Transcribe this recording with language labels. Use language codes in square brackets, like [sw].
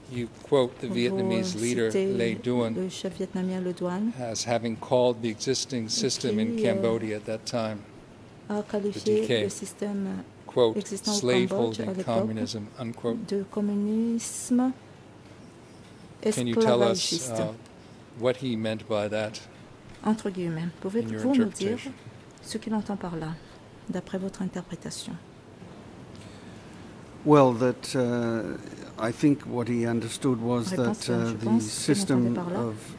[en] You quote the Vietnamese leader Le Duan as having called the existing system in Cambodia at that time the DK, quote, slaveholding communism, unquote. Can you tell us what he meant by that? [fr] Entre guillemets, pouvez-vous nous dire ce qu'il entend par là, d'après votre interprétation? [en] Well, that I think what he understood was that the system of